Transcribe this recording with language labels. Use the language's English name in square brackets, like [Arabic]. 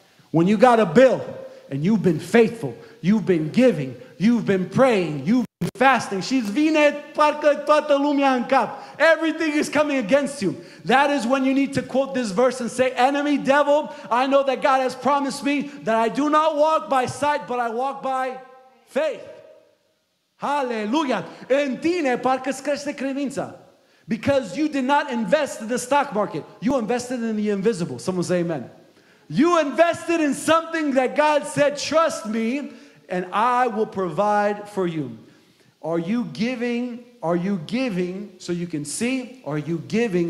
[English] When you got a bill and you've been faithful, you've been giving, you've been praying, you've been fasting, [Romanian] she's vine parcă toată lumea în cap. [English] Everything is coming against you. That is when you need to quote this verse and say, enemy, devil, I know that God has promised me that I do not walk by sight, but I walk by faith. Hallelujah. [Romanian] În tine parcă îți crește credința. [English] Because you did not invest in the stock market. You invested in the invisible. Someone say amen. You invested in something that God said, trust me, and I will provide for you. Are you giving? Are you giving so you can see? Are you giving?